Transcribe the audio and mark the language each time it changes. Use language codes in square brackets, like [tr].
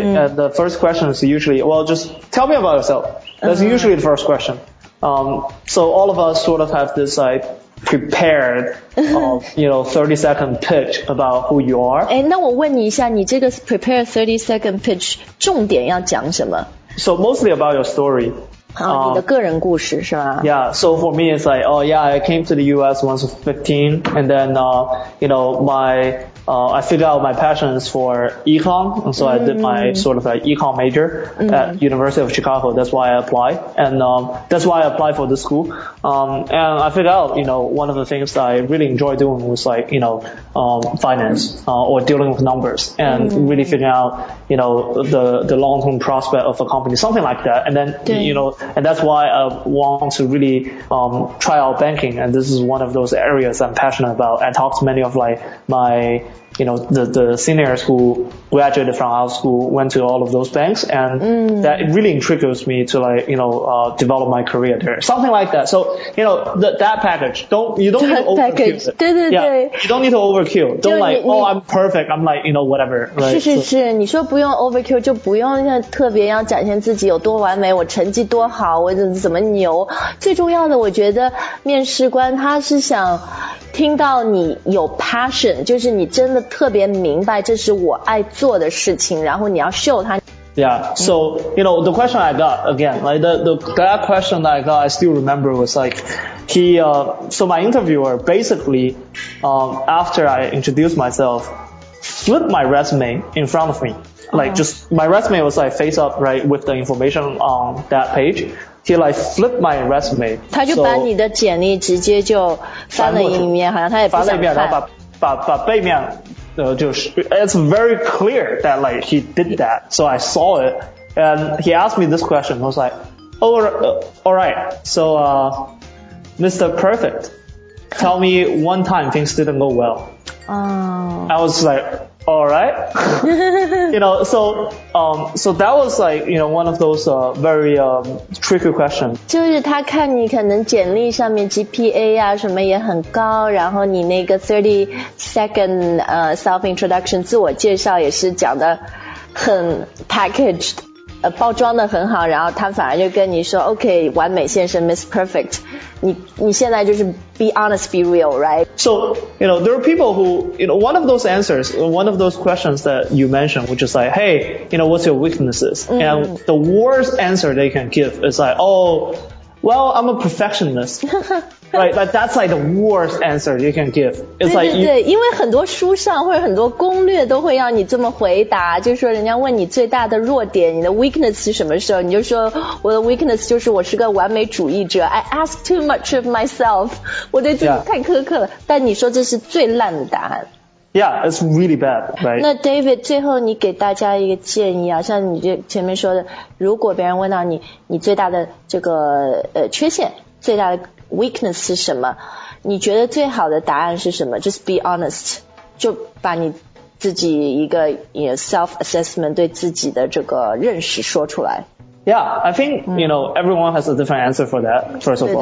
[en] And the first question is usually, well, just tell me about yourself. That's usually the first question. So all of us sort of have this, like, prepared, you know, 30-second pitch about who you are. [zh] 哎，那我问你一下，你这个 [en] prepared 30-second pitch [zh] 重点要讲什么？ [en] So mostly about your story. [zh] 你的个人故事是吧？ [en] Yeah, so for me it's like, oh yeah, I came to the US once 15, and then, you know, I figured out my passion is for econ, and so I did my sort of an econ major at University of Chicago. That's why I applied, and that's why I applied for the school. And I figured out, you know, one of the things that I really enjoy doing was like, you know, finance or dealing with numbers and really figuring out, you know, the long-term prospect of a company, something like that. And then, you know, and that's why I want to really try out banking, and this is one of those areas I'm passionate about. I talk to many of like my... You know, the seniors who graduated from our school went to all of those banks, and that really intrigues me to, like, you know, develop my career there. Something like that. So, you know, that package, you don't need to overkill. Don't like, oh, I'm perfect. I'm like, you know, whatever. Right? [zh] 是是是，你说不用 overkill 就不用特别要展现自己有多完美，我成绩多好，我怎么牛。最重要的，我觉得面试官他是想听到你有 passion， 就是你真的特别明白这是我爱做的事情，然后你要 show 他。 [en] Yeah, so, you know, the question I got, again, like, that question that I got, I still remember was like, so my interviewer basically, after I introduced myself, flipped my resume in front of me. Like, just, my resume was like face up, right, with the information on that page. He like flipped my resume. [zh] 他就把你的简历直接就翻了一面，好像他也不想看。翻了一面，然后把背面，就是 [en] it's very clear that like he did that. So I saw it, and he asked me this question. I was like, all right. So, Mr. Perfect, tell me one time things didn't go well. Oh. I was like. All right. You know, so that was like, you know, one of those very tricky questions. [zh] 就是他看你可能简历上面 GPA 啊什么也很高，然后你那个 [en] 30-second self-introduction [zh] 自我介绍也是讲得很 packaged, 包装得很好，然后他反而就跟你说 OK, 完美先生 Miss Perfect, 你现在就是 [en] be honest, be real, right? So, you know, there are people who, you know, one of those answers, one of those questions that you mentioned, which is like, hey, you know, what's your weaknesses? And the worst answer they can give is like, oh, well, I'm a perfectionist. Right, but that's like the worst answer you can give. It's [zh] 对 [en] like, [zh] 对, 对 you, 因为很多书上或者很多攻略都会要你这么回答，就是说人家问你最大的弱点，你的 weakness 是什么时候，你就说我的 weakness 就是我是个完美主义者， [en] I ask too much of myself, [zh] 我对自己太苛刻了。但你说这是最烂的答案。 [en] Yeah, it's really bad, right? [zh] 那 David, 最后你给大家一个建议啊，像你前面说的，如果别人问到你，你最大的这个缺陷，最大的weakness 是什么，你觉得最好的答案是什么， [en] just be honest, [zh] 就把你自己一个 [en] you know, self-assessment [zh] 对自己的这个认识说出来。 [en] Yeah, I think, you know, everyone has a different answer for that, first of all.